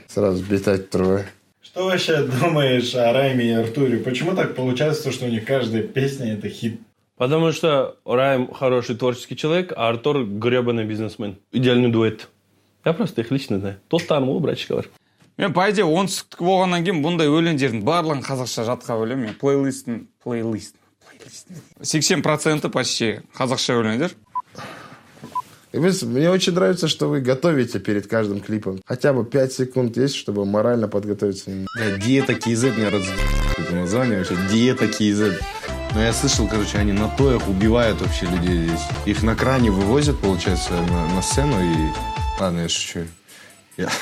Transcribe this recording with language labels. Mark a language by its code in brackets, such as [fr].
[ru] Сразу битать трое. Что вообще думаешь о Райме и Артуре? Почему так получается, что у них каждая песня это хит? Потому что Райм хороший творческий человек, а Артур гребаный бизнесмен. Идеальный дуэт. Я просто их лично знаю. Тот там, о, братчик, говорю. [kk] Мен по идее оңтүстіктік болғаннан кейін бұндай өлеңдердің барлығын қазақша жатқа білемін. Мен плейлистің 80% почти қазақша өлеңдер. [ru] Мне очень нравится, что вы готовите перед каждым клипом. Хотя бы 5 секунд есть, чтобы морально подготовиться. Да, диета KZ, мне раз... Это название вообще, диета KZ. Ну, я слышал, короче, они на тоях убивают вообще людей здесь. Их на кране вывозят, получается, на сцену и... Ладно, я шучу. Я...